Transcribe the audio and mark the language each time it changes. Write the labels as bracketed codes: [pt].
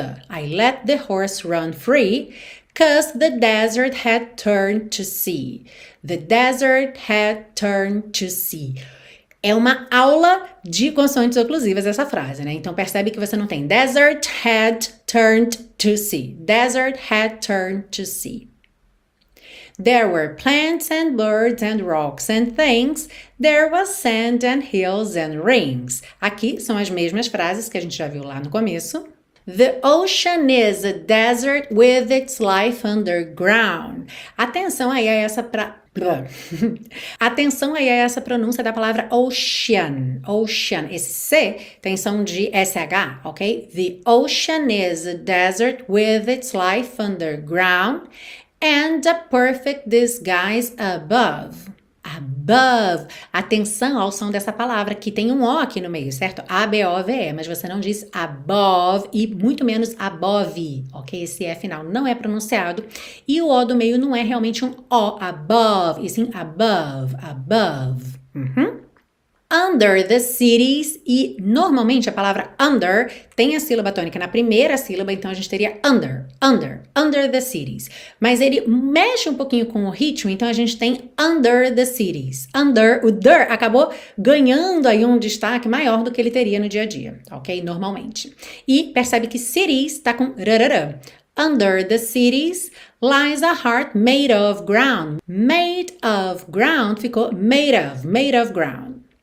[en] I let the horse run free, 'cause the desert had turned to sea. The desert had turned to sea. [pt] É uma aula de consoantes oclusivas essa frase, né? Então percebe que você não tem [en] desert had turned to sea. Desert had turned to sea. There were plants and birds and rocks and things. There was sand and hills and rings. [pt] Aqui são as mesmas frases que a gente já viu lá no começo. [en] The ocean is a desert with its life underground. [pt] Atenção aí a essa pra. Atenção aí a essa pronúncia da palavra ocean. Ocean. Esse C tem som de SH, ok? [en] The ocean is a desert with its life underground and a perfect disguise above. Above. [pt] Atenção ao som dessa palavra que tem um O aqui no meio, certo? A-B-O-V-E. Mas você não diz above e muito menos above, ok? Esse E final não é pronunciado. E o O do meio não é realmente um O. Above. E sim above. Above. [en] Under the cities, [pt] e normalmente a palavra under tem a sílaba tônica na primeira sílaba, então a gente teria [en] under the cities. [pt] Mas ele mexe um pouquinho com o ritmo, então a gente tem [en] under the cities. [pt] Under, o der acabou ganhando aí um destaque maior do que ele teria no dia a dia, ok? Normalmente. E percebe que cities está com rarara. [en] Under the cities lies a heart made of ground. Made of ground [pt] ficou [en] made of ground.